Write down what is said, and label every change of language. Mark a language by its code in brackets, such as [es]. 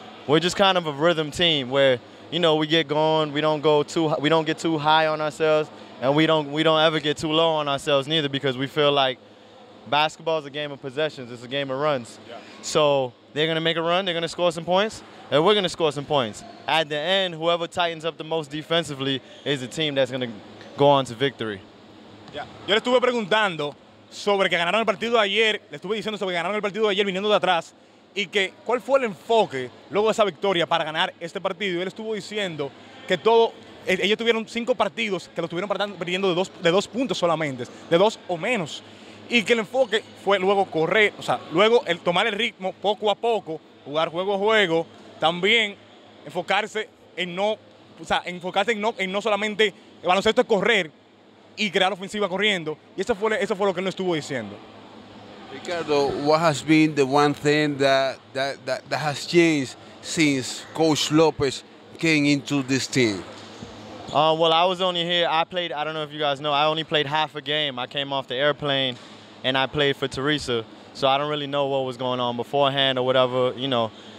[en] We're just kind of a rhythm team where, you know, we get going, we don't get too high on ourselves, and we don't ever get too low on ourselves neither, because we feel like basketball is a game of possessions. It's a game of runs. Yeah. So they're going to make a run, they're going to score some points, and we're going to score some points. At the end, whoever tightens up the most defensively is the team that's going to go on to victory. Yeah. [es] Yo le estuve preguntando sobre que ganaron el partido de ayer, le estuve diciendo sobre que ganaron el partido de ayer viniendo de atrás, y que cuál fue el enfoque luego de esa victoria para ganar este partido. Y él estuvo diciendo que todo, ellos tuvieron cinco partidos que lo estuvieron perdiendo de dos puntos solamente, de dos o menos. Y que el enfoque fue luego correr, o sea, luego el tomar el ritmo poco a poco, jugar juego a juego, también enfocarse en no, o sea, enfocarse en no solamente el baloncesto, es correr y crear ofensiva corriendo. Y eso fue lo que él nos estuvo diciendo. [en] Ricardo, what has been the one thing that has changed since Coach Lopez came into this team? Well, I was only here, I don't know if you guys know, I only played half a game. I came off the airplane and I played for Teresa, so I don't really know what was going on beforehand or whatever, you know.